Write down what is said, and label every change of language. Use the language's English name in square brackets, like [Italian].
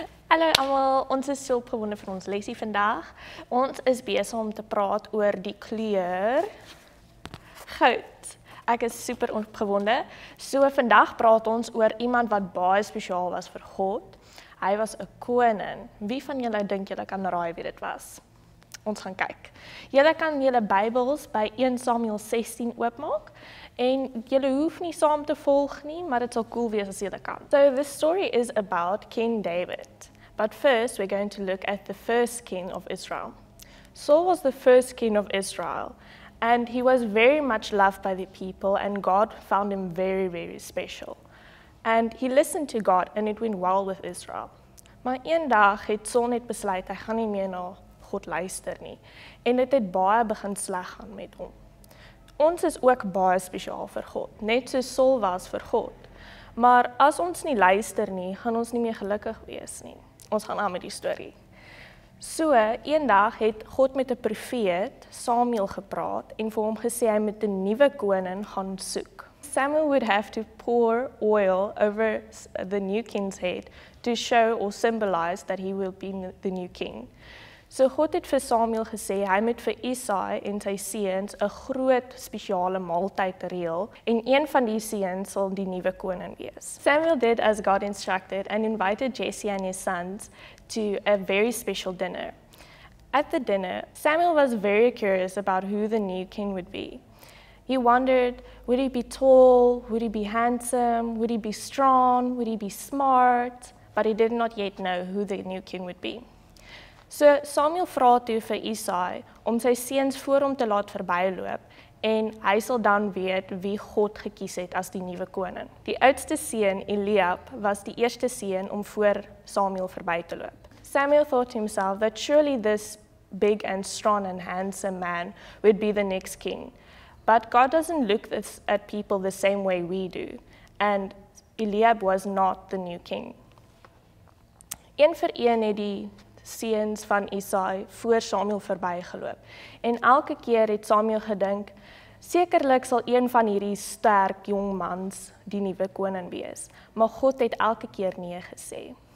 [Afrikaans] Hallo allemaal, ons is so opgewonde vir ons lesie vandag. Ons is besig om te praat oor die kleur goud. Ek is super opgewonde. So vandag praat ons oor iemand wat baie speciaal was vir God. Hy was 'n koning. Wie van julle dink julle kan raai wie dit was? Ons gaan kyk. Julle kan julle Bybels by 1 Samuel 16 oopmaak en julle hoef nie saam te volg nie, maar dit sal cool wees as julle kan. [English] So this story is about King David. But first we're going to look at the first king of Israel. Saul was the first king of Israel and he was very much loved by the people and God found him very, very special. And he listened to God, and it went well with Israel. [Afrikaans] Maar een dag het Saul net besluit, hy gaan nie meer na God luister nie. En dit het baie begin sleg gaan met hom. Ons is ook baie speciaal vir God, net soos Saul was vir God. Maar as ons nie luister nie, gaan ons nie meer gelukkig wees nie. Ons gaan aan met die story. So, een dag het God met 'n profeet, Samuel, gepraat, en vir hom gesê hy moet 'n nuwe koning gaan soek. [English] Samuel would have to pour oil over the new king's head to show or symbolize that he will be the new king. [Afrikaans] So God het vir Samuel gesê, hy moet vir Isai en sy seuns 'n groot spesiale maaltyd reël en een van die seuns sal die nuwe koning wees. [English] Samuel did as God instructed and invited Jesse and his sons to a very special dinner. At the dinner, Samuel was very curious about who the new king would be. He wondered, would he be tall, would he be handsome, would he be strong, would he be smart? But he did not yet know who the new king would be. [Afrikaans] So Samuel vra toe vir Isai om sy seuns voor hom te laat verbyloop en hy sal dan weet wie God gekies het as die nuwe koning. Die oudste seun, Eliab, was die eerste seun om voor Samuel verby te loop. [English] Samuel thought to himself that surely this big and strong and handsome man would be the next king. But God doesn't look at people the same way we do, and Eliab was not the new king. [Afrikaans] Een vir een het die seuns van Isai voor Samuel verbygeloop, en elke keer het Samuel gedink, sekerlik sal een van hierdie sterk jong mans die nuwe koning wees, maar God het elke keer nee gesê.